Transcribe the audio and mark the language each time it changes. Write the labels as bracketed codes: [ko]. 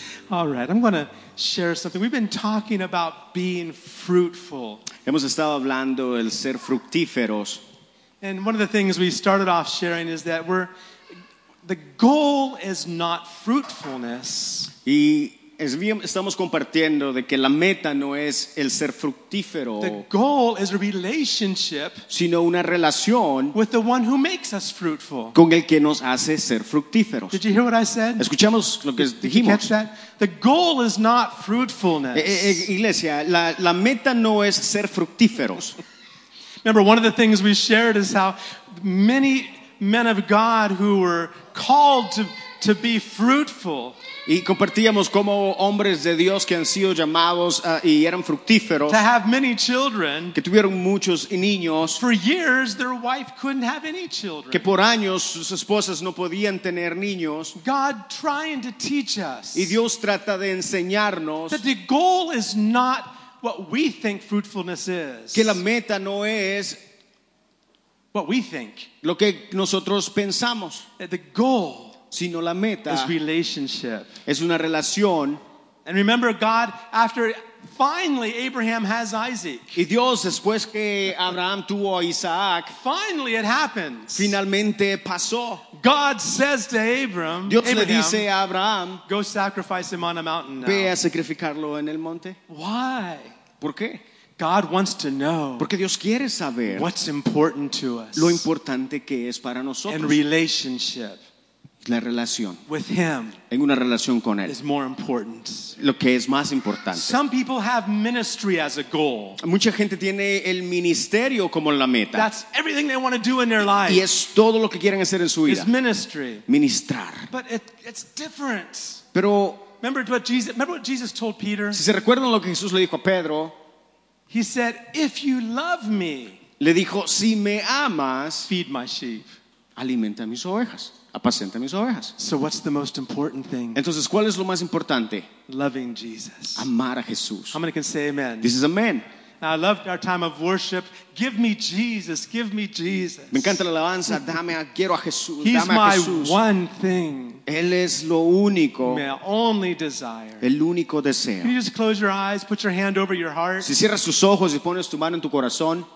[en] All right, I'm going to share something. We've been talking about being fruitful. [es] Hemos estado hablando del ser fructíferos. [en] And one of the things we started off sharing is that the goal is not fruitfulness. [es] Y estamos compartiendo de que la meta no es el ser fructífero. [en] The goal is a relationship, [es] sino una relación [en] with the one who makes us fruitful. [es] Con el que nos hace ser fructíferos. [en] Did you hear what I said? [es] ¿Escuchamos lo que dijimos? [en] Did you catch that? The goal is not fruitfulness. [es] Iglesia, la meta no es ser fructíferos. [en] Remember, one of the things we shared is how many men of God who were called to be fruitful. [es] Y compartíamos como hombres de Dios que han sido llamados y eran fructíferos. [en] To have many children. [es] Que tuvieron muchos niños. [en] For years, their wife couldn't have any children. [es] Que por años sus esposas no podían tener niños. [en] God trying to teach us. [es] Y Dios trata de enseñarnos. [en] That the goal is not what we think fruitfulness is. [es] Que la meta no es [en] what we think. [es] Lo que nosotros pensamos. [en] The goal. [es] Sino la meta [en] is relationship. [es] Es una relación. [en] And remember, God, after finally Abraham has Isaac. [es] Y Dios, después que Abraham tuvo a Isaac, [en] finally it happens. [es] Finalmente pasó. [en] God says to Abraham, [es] Dios Abraham, le dice a Abraham, [en] go sacrifice him on a mountain now. [es] Ve a sacrificarlo en el monte. [en] Why? [es] ¿Por qué? [en] God wants to know. [es] Porque Dios quiere saber [en] what's important to us. [es] Lo importante que es para nosotros. [en] And relationship. [es] La relación [en] with him [es] en una relación con él [en] is more important. [es] Lo que es más importante. [en] Some people have ministry as a goal. [es] Mucha gente tiene el ministerio como la meta. [en] That's everything they want to do in their life. [es] Y es todo lo que quieren hacer en su vida. [en] Is ministry. [es] Ministrar. [en] But it's different. [es] Pero [en] remember what Jesus told Peter? [es] Si se recuerdan lo que Jesús le dijo a Pedro, [en] he said, "If you love me," [es] le dijo, "si me amas, [en] feed my sheep." [es] Alimenta mis ovejas. Apacienta mis ovejas. [en] So what's the most important thing? [es] Entonces, ¿cuál es lo más importante? [en] Loving Jesus. [es] Amar a Jesús. [en] How many can say amen? This is amen. Now, I loved our time of worship. Give me Jesus. Give me Jesus. [es] Me encanta la alabanza. Dame a, quiero a Jesús. [en] He's [es] dame a [en] my [es] Jesús. [en] One thing. [es] Él es lo único. [en] My only desire. [es] El único deseo. [en] Can you just close your eyes? Put your hand over your heart. [es] Si cierras tus ojos y pones tu mano en tu corazón.